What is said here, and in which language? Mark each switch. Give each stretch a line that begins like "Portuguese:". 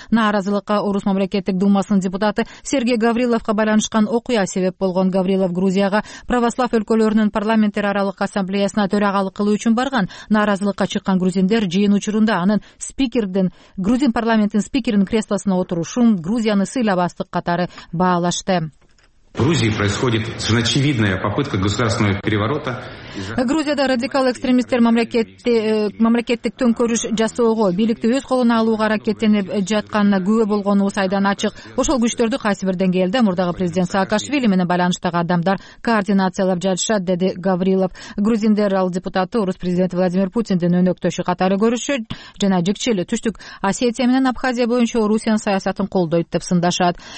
Kyrgyz: Нааразылыкка Орус мамлекеттик думасынын депутаты Сергей Гавриловго байланышкан окуя себеп болгон. Гаврилов Грузияга православ өлкөлөрүнүн парламенттер аралык ассамблеясына төрагалык кылуу үчүн барган. Нааразылыкка чыккан грузиндер жыйын учурунда анын спикердин, грузин парламенттин спикеринин креслосуна отурушун Грузияны сыйлабастык катары баалашты.
Russian: В Грузии происходит совершенно очевидная попытка государственного переворота.
Kyrgyz: Грузияда радикал экстремисттер мамлекеттик төңкөрүш жасоого, бийликти өз колуна алууга аракеттенип жатканына күбө болгону сайдан ачык. Ошол күчтөрдү кайсы бир деңгээлде мурдагы президент Саакашвили менен байланыштагы адамдар координациялап жатышат, деди Гаврилов. Грузиндер ал депутаты Орус президенти Владимир Путиндин өнөктөшү катары көрүшөт жана жыкчы эле Түштүк Осетия менен Абхазия боюнча Орусиянын саясатын колдойт деп сындашат.